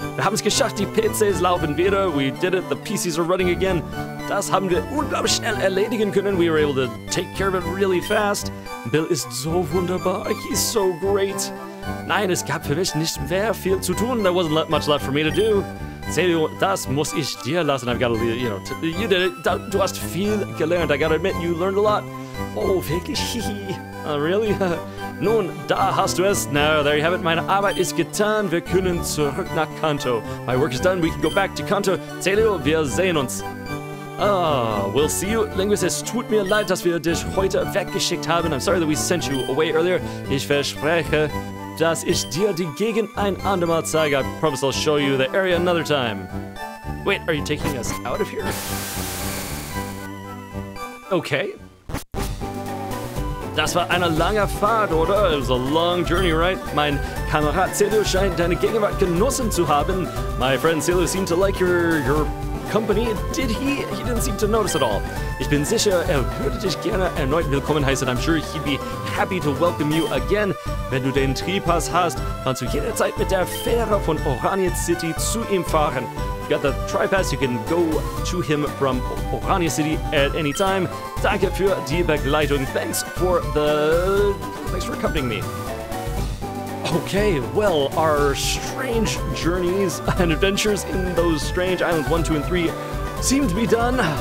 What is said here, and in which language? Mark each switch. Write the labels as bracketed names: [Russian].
[German] Wir haben es geschafft, die PCs laufen wieder. [English] We did it, the PCs are running again. [German] Das haben wir unglaublich schnell erledigen können. [English] We were able to take care of it really fast. [German] Bill ist so wunderbar. [English] He's so great. [German] Nein, es gab für mich nicht mehr viel zu tun. [English] There wasn't much left for me to do. Celio, [German] das muss ich dir lassen. [English] I've got to, you know, you did it. [German] Du hast viel gelernt. [English] I gotta admit, you learned a lot. [German] Oh, wirklich? [English] Really? [German] Nun, da hast du es. [English] No, there you have it. [German] Meine Arbeit ist getan. Wir können zurück nach Kanto. [English] My work is done. We can go back to Kanto. [German] Celio, wir sehen uns. [English] We'll see you. [German] Linguist, es tut mir leid, dass wir dich heute weggeschickt haben. [English] I'm sorry that we sent you away earlier. [German] Ich verspreche, dass ich dir die Gegend ein andermal zeige. [English] I promise I'll show you the area another time. Wait, are you taking us out of here? [German] Okay. Das war eine lange Fahrt, oder? [English] It was a long journey, right? [German] Mein Kamerad Celio scheint deine Gegenwart genossen zu haben. [English] My friend Celio seemed to like your company. Did he? He didn't seem to notice at all. [German] Ich bin sicher, würde dich gerne erneut willkommen heißen. [English] I'm sure he'd be happy to welcome you again. [German] Wenn du den Tripass hast, kannst du jederzeit mit der Fähre von Oranje City zu ihm fahren. [English] You got the Tripass, you can go to him from Oranje City at any time. [German] Danke für die Begleitung. [English] Thanks for accompanying me. Okay, well, our strange journeys and adventures in those strange islands 1, 2, and 3 seem to be done.